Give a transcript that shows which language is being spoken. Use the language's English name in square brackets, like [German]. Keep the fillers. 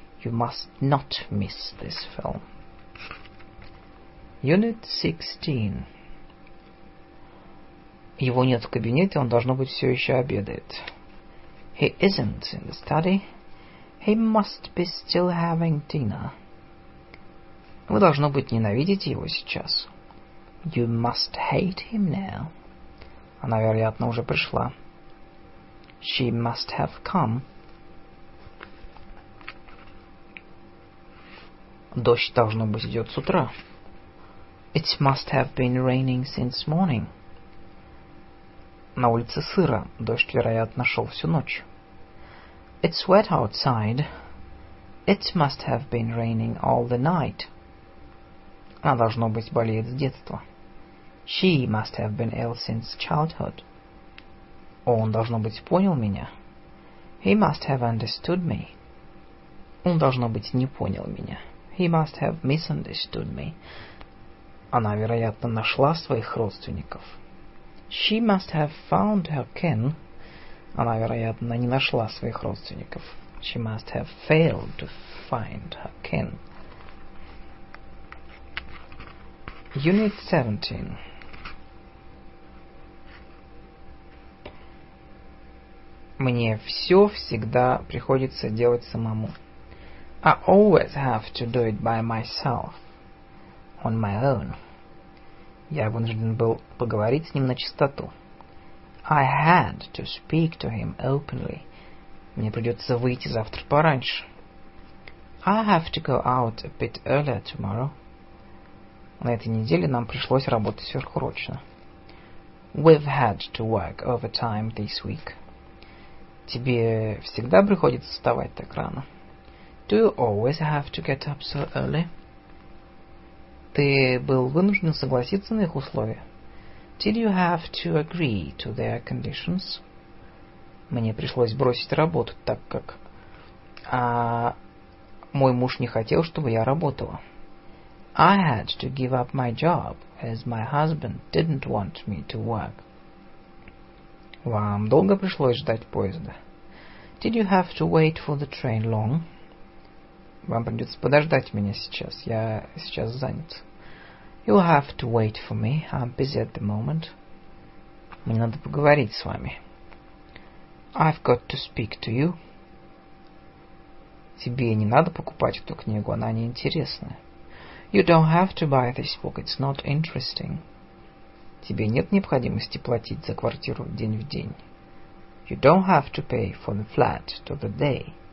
[English] You must not miss this film. Unit 16. [Russian] Его нет в кабинете, он, должно быть, все еще обедает. [English] He isn't in the study. He must be still having dinner. [Russian] Вы, должно быть, ненавидите его сейчас. [English] You must hate him now. [Russian] Она, вероятно, уже пришла. [English] She must have come. [Russian] Дождь, должно быть, идет с утра. [English] It must have been raining since morning. [Russian] На улице сыро. Дождь, вероятно, шел всю ночь. [English] It's wet outside. It must have been raining all the night. [Russian] Она, должно быть, болеет с детства. [English] She must have been ill since childhood. [Russian] Он, должно быть, понял меня. [English] He must have understood me. [Russian] Он, должно быть, не понял меня. [English] He must have misunderstood me. [Russian] Она, вероятно, нашла своих родственников. [English] She must have found her kin. [Russian] Она, вероятно, не нашла своих родственников. [English] She must have failed to find her kin. Unit 17. [Russian] Мне все всегда приходится делать самому. [English] I always have to do it by myself. On my own. [Russian] Я вынужден был поговорить с ним на чистоту. [English] I had to speak to him openly. [Russian] Мне придется выйти завтра пораньше. [English] I have to go out a bit earlier tomorrow. [Russian] На этой неделе нам пришлось работать сверхурочно. [English] We've had to work overtime this week. [Russian] Тебе всегда приходится вставать так рано? [English] Do you always have to get up so early? [Russian] Ты был вынужден согласиться на их условия? [English] Did you have to agree to their conditions? [Russian] Мне пришлось бросить работу, так как а, мой муж не хотел, чтобы я работала. [English] I had to give up my job, as my husband didn't want me to work. [Russian] Вам долго пришлось ждать поезда? [English] Did you have to wait for the train long? [Russian] Вам придется подождать меня сейчас. Я сейчас занят. [English] You'll have to wait for me. I'm busy at the moment. [Russian] Мне надо поговорить с вами. [English] I've got to speak to you. [Russian] Тебе не надо покупать эту книгу, она неинтересная. [English] You don't have to buy this book, it's not interesting. [Russian] Тебе нет необходимости платить за квартиру день в день. [English] You don't have to pay for the flat to the day.